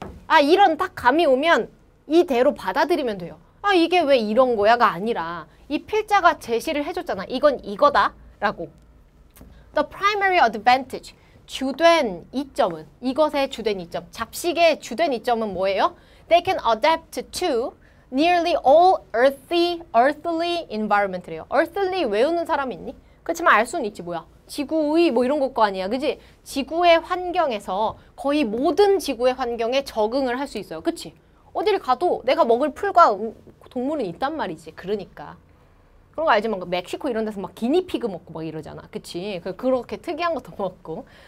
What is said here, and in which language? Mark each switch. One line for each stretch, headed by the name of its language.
Korean: 아, 이런 딱 감이 오면 이대로 받아들이면 돼요. 아, 이게 왜 이런 거야가 아니라 이 필자가 제시를 해줬잖아. 이건 이거다라고.
English: The primary advantage.
Korean: 주된 이점은, 이것의 주된 이점, 잡식의 주된 이점은 뭐예요?
English: They can adapt to nearly all earthly environment래요.
Korean: Earthly 외우는 사람 있니? 그렇지만 알 수는 있지, 뭐야? 지구의 뭐 이런 것거 아니야, 그지? 지구의 환경에서 거의 모든 지구의 환경에 적응을 할수 있어요, 그치? 어딜 가도 내가 먹을 풀과 동물은 있단 말이지, 그러니까. 그런 거 알지? 막 멕시코 이런 데서 막 기니피그 먹고 막 이러잖아, 그치? 그렇게 특이한 것도 먹고.